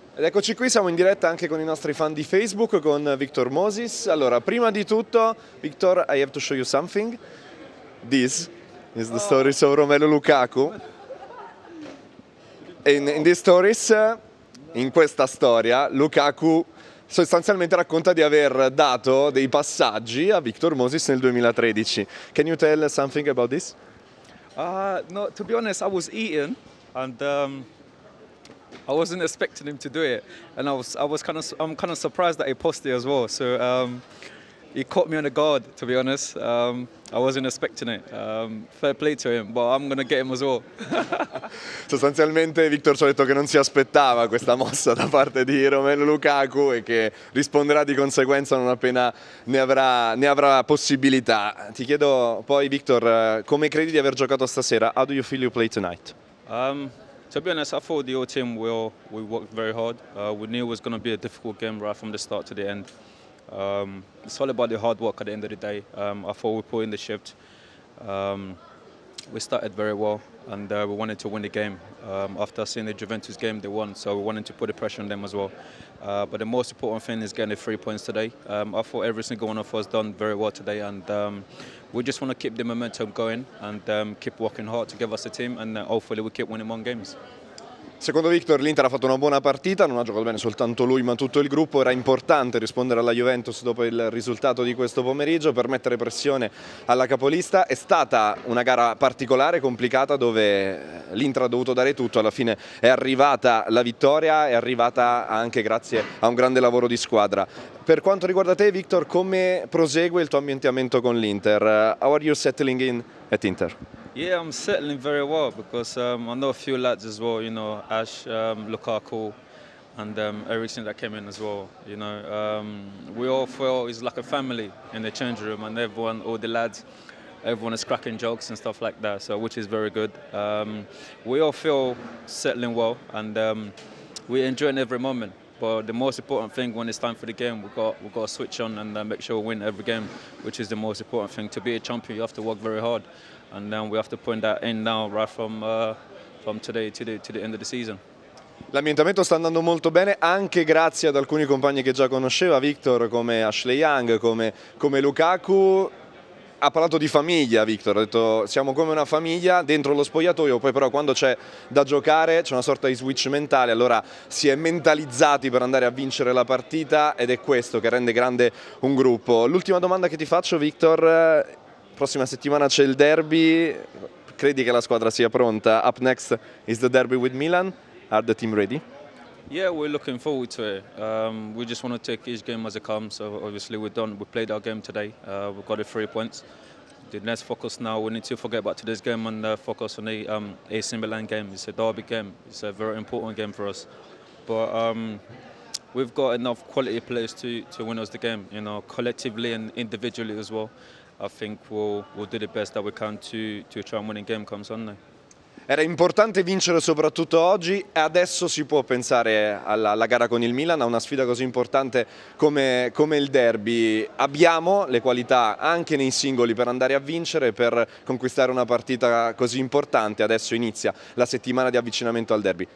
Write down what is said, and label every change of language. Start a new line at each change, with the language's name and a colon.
Italian: Ed eccoci qui, siamo in diretta anche con i nostri fan di Facebook, con Victor Moses. Allora, prima di tutto,
English: Victor, I have to show you something. This is the stories of Romelu Lukaku. In these stories,
Italian: in questa storia, Lukaku sostanzialmente racconta di aver dato dei passaggi a Victor Moses nel 2013.
English: Can you tell something about this? No, to be honest, I was eating and I wasn't expecting him to do it, and I'm kind of surprised that he posted it as well. So he caught me on the guard, to be honest. I wasn't expecting it. Fair play to him, but I'm gonna get him as well.
Italian: Sostanzialmente Victor ci ha detto che non si aspettava questa mossa da parte di Romelu Lukaku e che risponderà di conseguenza non appena ne avrà possibilità. Ti chiedo poi, Victor, come credi di aver giocato stasera?
English: How do you feel you play tonight? To be honest, I thought the whole team we worked very hard. We knew it was going to be a difficult game right from the start to the end. It's all about the hard work at the end of the day. I thought we put in the shift. We started very well and we wanted to win the game. After seeing the Juventus game, they won, so we wanted to put the pressure on them as well. But the most important thing is getting the 3 points today. I thought every single one of us done very well today, and we just want to keep the momentum going and keep working hard to give us a team, and hopefully we keep winning more games.
Italian: Secondo Victor, l'Inter ha fatto una buona partita, non ha giocato bene soltanto lui ma tutto il gruppo. Era importante rispondere alla Juventus dopo il risultato di questo pomeriggio per mettere pressione alla capolista. È stata una gara particolare, complicata, dove l'Inter ha dovuto dare tutto. Alla fine è arrivata la vittoria, è arrivata anche grazie a un grande lavoro di squadra. Per quanto riguarda te, Victor, come prosegue il tuo ambientamento con l'Inter?
English: How are you settling in at Inter? Yeah, I'm settling very well because I know a few lads as well, you know, Ash, Lukaku and Eriksen that came in as well, you know. We all feel it's like a family in the change room, and everyone, all the lads, everyone is cracking jokes and stuff like that, so which is very good. We all feel settling well and we're enjoying every moment. But the most important thing when it's time for the game, we've got to switch on and make sure we win every game, which is the most important thing. To be a champion, you have to work very hard. And then we have to point that in now, right from today to the end of the season.
Italian: L'ambientamento sta andando molto bene, anche grazie ad alcuni compagni che già conosceva, Victor, come Ashley Young, come Lukaku. Ha parlato di famiglia, Victor, ha detto siamo come una famiglia dentro lo spogliatoio, poi però quando c'è da giocare c'è una sorta di switch mentale, allora si è mentalizzati per andare a vincere la partita ed è questo che rende grande un gruppo. L'ultima domanda che ti faccio, Victor, prossima settimana c'è il derby, credi che la squadra sia pronta?
English: Up next is the derby with Milan, are the team ready? Yeah, we're looking forward to it. We just want to take each game as it comes. So obviously we've done, we played our game today. We've got the 3 points. The next focus now, we need to forget about today's game and focus on the AC Milan game. It's a derby game. It's a very important game for us. But we've got enough quality players to win us the game, you know, collectively and individually as well. I think we'll do the best that we can to try and win the game come Sunday.
Italian: Era importante vincere soprattutto oggi e adesso si può pensare alla gara con il Milan, a una sfida così importante come il derby. Abbiamo le qualità anche nei singoli per andare a vincere, per conquistare una partita così importante. Adesso inizia la settimana di avvicinamento al derby.